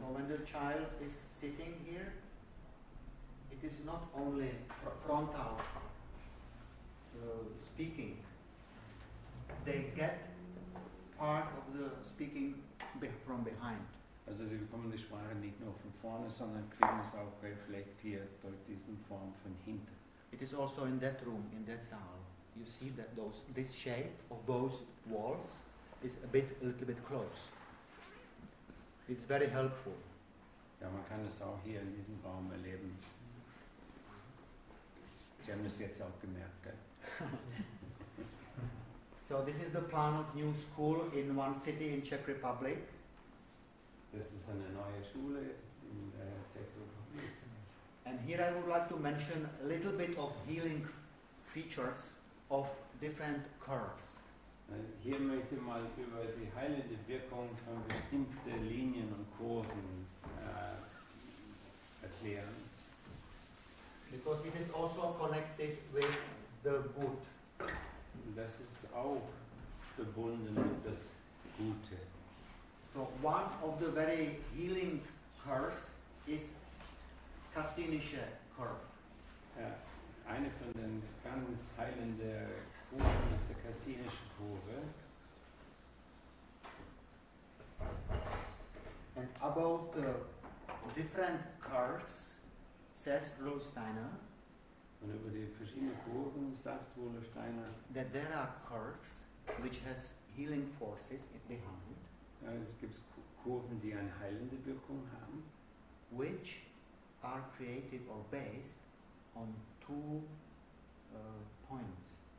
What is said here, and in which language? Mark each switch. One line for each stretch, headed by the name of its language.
English: So when the child is sitting here, it is not only frontal speaking. They get part of the speaking from behind.
German: Also wir bekommen die Sprache nicht nur von vorne, sondern kriegen es auch reflektiert durch diesen Form von hinten.
English: It is also in that room, in that sound. You see that those this shape of both walls is a little bit close. It's very helpful.
German: Ja, man kann es auch hier in diesem Raum erleben. Sie haben es jetzt auch gemerkt, gell?
English: So this is the plan of new school in one city in Czech Republic.
German: Das ist eine neue Schule in Czech Republic.
English: And here I would like to mention a little bit of healing features of different curves.
German: Hier möchte ich mal über die heilende Wirkung von bestimmten Linien und Kurven erklären.
English: Because it is also connected with the good.
German: Das ist auch verbunden mit das Gute.
English: So one of the very healing curves is Cassinische curve.
German: Ja, eine von den ganz heilenden Kurven ist die Cassinische Kurve.
English: And about the different curves, says Rudolf Steiner.
German: Und über die verschiedenen Kurven sagt Rudolf Steiner.
English: That there are curves which has healing forces behind.
German: Ja, es gibt Kurven, die eine heilende Wirkung haben.
English: Which are created or based on two points.